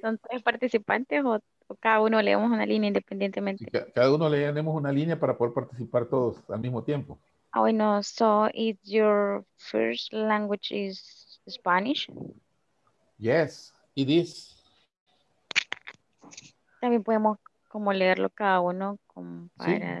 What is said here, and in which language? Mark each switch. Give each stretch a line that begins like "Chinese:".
Spanish: ¿Son tres participantes o cada uno leemos una línea independientemente? Sí, cada uno leemos una línea para poder participar todos al mismo tiempo. Ah, bueno,
English: so is your first language is Spanish? Yes, it is.
Spanish: También podemos como leerlo cada uno como para sí.